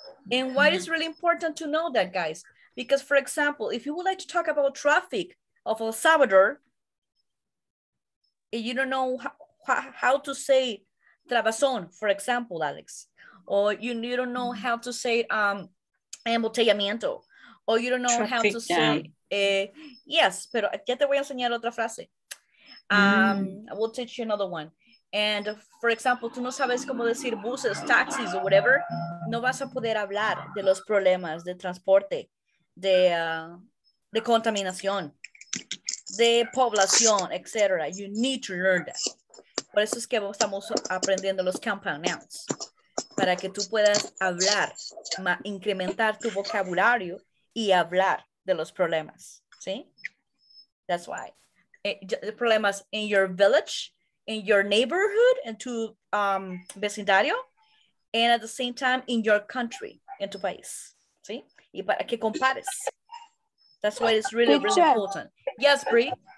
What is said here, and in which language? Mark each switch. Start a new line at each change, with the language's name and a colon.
English: And why it's really important to know that, guys? Because, for example, if you would like to talk about traffic of El Salvador, and you don't know how to say trabazón, for example, Alex, or you don't know how to say embotellamiento, or you don't know traffic how to jam. Say, yes,
Spanish: pero ya te voy a enseñar otra frase.
English: I will teach you another one. And for example,
Spanish: tú no sabes cómo decir buses, taxis,
English: or whatever,
Spanish: no vas a poder hablar de los problemas de transporte, de contaminación, de población, etc.
English: You need to learn that.
Spanish: Por eso es que estamos aprendiendo los compound nouns, para que tú puedas hablar, incrementar tu vocabulario y hablar de los problemas, ¿sí?
English: That's why. The problemas in your village, in your neighborhood and to vecindario, and at the same time in your country and to país.
Spanish: ¿Sí? Y para que compares.
English: That's why it's really, teacher, really important. Yes, Brie.